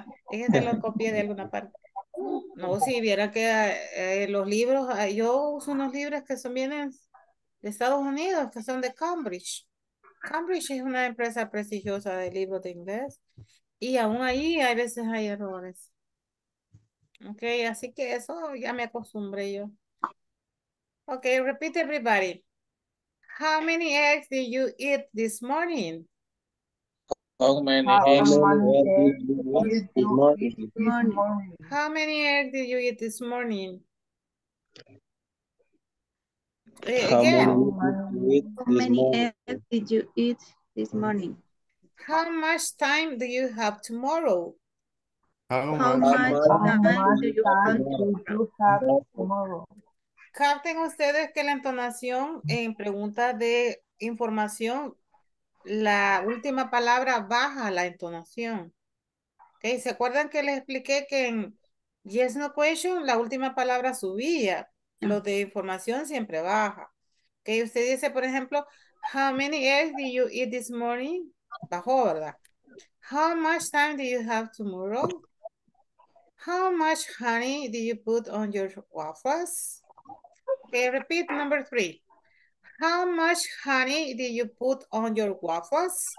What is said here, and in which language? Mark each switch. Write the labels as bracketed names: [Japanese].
[Spanish] Es que te lo copié de alguna parte. No, si viera que los libros, yo uso unos libros que son bien de Estados Unidos, que son de Cambridge. Cambridge es una empresa prestigiosa de libros de inglés. Y aún ahí a veces hay errores. Ok, así que eso ya me acostumbré yo. [English] Ok, repeat everybody. How many eggs did you eat this morning? How many eggs did you eat this morning? How many eggs did you eat this morning? How again. How many eggs did you eat this morning? How much time do you have tomorrow? [Spanish] Capten ustedes que la entonación en pregunta de información, la última palabra baja la entonación. Okay, ¿se acuerdan que les expliqué que en yes no question la última palabra subía? Lo de información siempre baja. Okay, usted dice, por ejemplo, [English] how many eggs did you eat this morning? [Spanish] Bajó, ¿verdad? [English] How much time do you have tomorrow? How much honey do you put on your waffles? Okay, repeat number three. How much honey do you put on your waffles?